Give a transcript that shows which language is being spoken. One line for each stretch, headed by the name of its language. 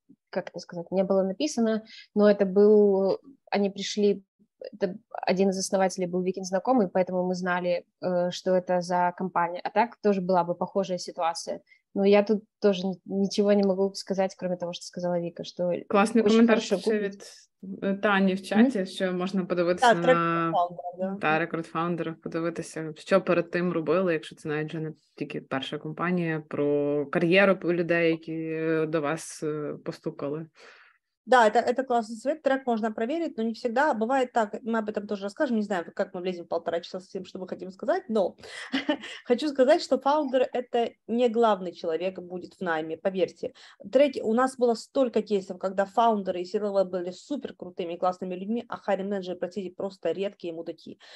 Russian: как это сказать, не было написано, но это был, они пришли, это один из основателей был Викин знакомый, поэтому мы знали, что это за компания. А так тоже была бы похожая ситуация. Но я тут тоже ничего не могу сказать, кроме того, что сказала Вика. Что классный
Ukrainian: комментар ще від Тані в чаті, що можна подивитися на Тара Крудфаундера, подивитися, що перед тим робили, якщо це навіть вже не тільки перша компанія, про кар'єру людей, які до вас постукали.
Russian: Да, это классный совет, трек можно проверить, но не всегда, бывает так, мы об этом тоже расскажем, не знаю, как мы влезем в полтора часа со всем, что мы хотим сказать, но хочу сказать, что фаундер — это не главный человек будет в найме, поверьте. Третий, у нас было столько кейсов, когда фаундеры и CLO были суперкрутыми и классными людьми, а хайринг-менеджеры, простите, просто редкие мудаки.